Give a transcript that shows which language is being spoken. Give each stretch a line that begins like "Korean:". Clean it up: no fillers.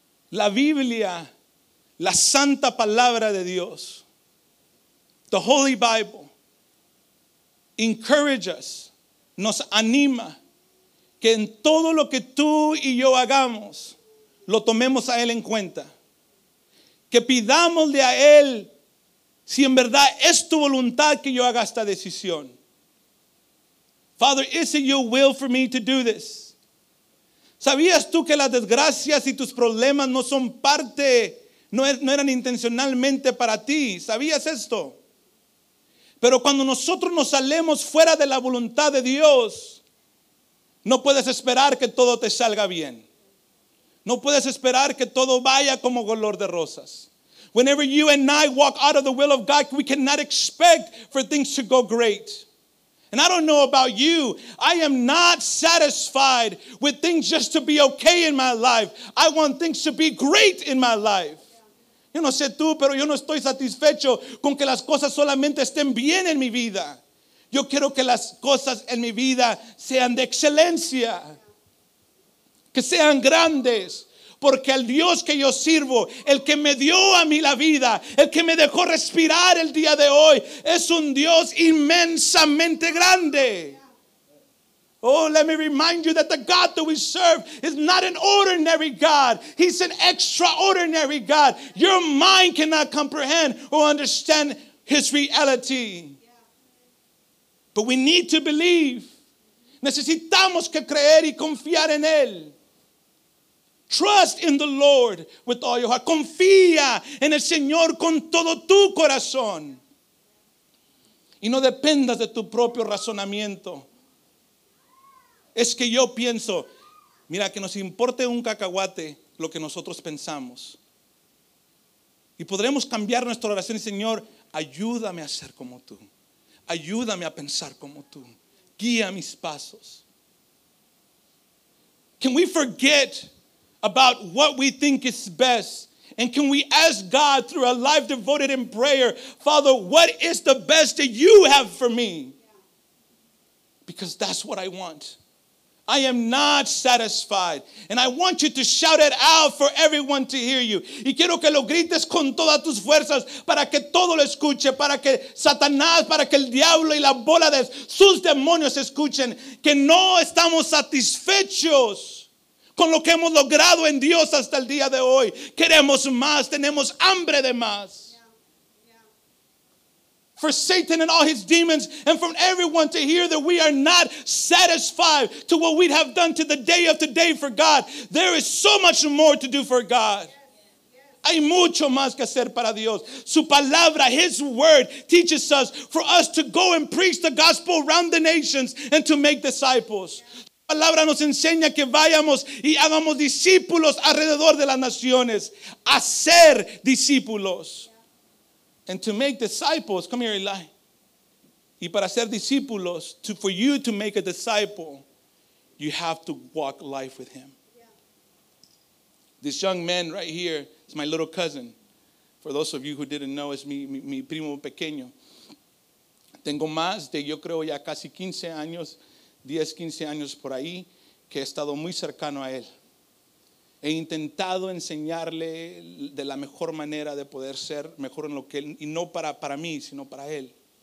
Spanish: La Biblia, la santa palabra de Dios,
English: the Holy Bible, encourages,
Spanish: nos anima, que en todo lo que tú y yo hagamos, lo tomemos a Él en cuenta. Que pidámosle a Él, si en verdad es tu voluntad que yo haga esta decisión.
English: Father, is it your will for me to do this?
Spanish: ¿Sabías tú que las desgracias y tus problemas no son parte, no eran intencionalmente para ti? ¿Sabías esto? Pero cuando nosotros nos salemos fuera de la voluntad de Dios, no puedes esperar que todo te salga bien. No puedes esperar que todo vaya como color de rosas.
English: Whenever you and I walk out of the will of God, we cannot expect for things to go great. And I don't know about you, I am not satisfied with things just to be okay in my life. I want things to be great in my life.
Spanish: Yo no sé tú, pero yo no estoy satisfecho con que las cosas solamente estén bien en mi vida. Yo quiero que las cosas en mi vida sean de excelencia. Que sean grandes. Porque el Dios que yo sirvo, el que me dio a mí la vida, el que me dejó respirar el día de hoy, es un Dios inmensamente grande.
English: Oh, let me remind you that the God that we serve is not an ordinary God. He's an extraordinary God. Your mind cannot comprehend or understand His reality. But we need to believe.
Spanish: Necesitamos que creer y confiar en Él.
English: Trust in the Lord with all your heart.
Spanish: Confía en el Señor con todo tu corazón. Y no dependas de tu propio razonamiento. Es que yo pienso, mira, que nos importe un cacahuate lo que nosotros pensamos. Y podremos cambiar nuestra oración. Señor, ayúdame a ser como tú. Ayúdame a pensar como tú. Guía mis pasos.
English: Can we forget about what we think is best? And can we ask God through a life devoted in prayer, Father, what is the best that you have for me? Because that's what I want. I am not satisfied. And I want you to shout it out for everyone to hear you.
Spanish: Y quiero que lo grites con todas tus fuerzas para que todo lo escuche, para que Satanás, para que el diablo y la bola de sus demonios escuchen que no estamos satisfechos con lo que hemos logrado en Dios hasta el día de hoy. Queremos más, tenemos hambre de más.
English: For Satan and all his demons, and from everyone to hear that we are not satisfied to what we have done to the day of today for God. There is so much more to do for God.
Spanish: Hay mucho más que hacer para Dios. Su palabra,
English: his word, teaches us for us to go and preach the gospel around the nations and to make disciples.
Spanish: La palabra nos enseña que vayamos y hagamos discípulos alrededor de las naciones. Hacer discípulos.
English: And to make disciples, come here, Eli.
Spanish: Y para ser discípulos,
English: for you to make a disciple, you have to walk life with him. This young man right here is my little cousin. For those of you who didn't know,
Spanish: es mi primo pequeño. Tengo más de, yo creo, ya casi 15 años. 10, 15 años por ahí, que he estado muy cercano a él. He intentado enseñarle de la mejor manera de poder ser mejor en lo que él, y no para mí, sino para él.